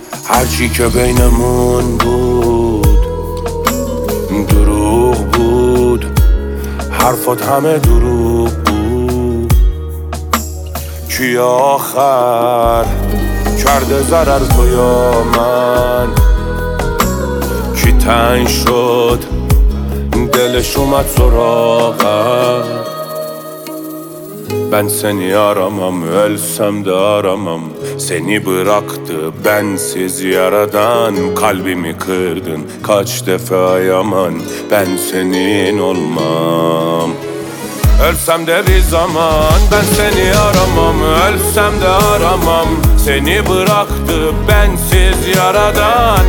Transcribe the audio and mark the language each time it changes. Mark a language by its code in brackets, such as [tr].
[fa] هرچی که بینمون بود دروغ بود. حرفات همه دروغ بود. کی آخر کرده ضرر تو یا من؟ کی تنگ شد دلش اومد سراغم؟ [tr] Ben seni aramam, ölsem de aramam. Seni bıraktı bensiz yaradan. Kalbimi kırdın kaç defa ayaman. Ben senin olmam, ölsem de bir zaman. Ben seni aramam, ölsem de aramam. Seni bıraktı bensiz yaradan.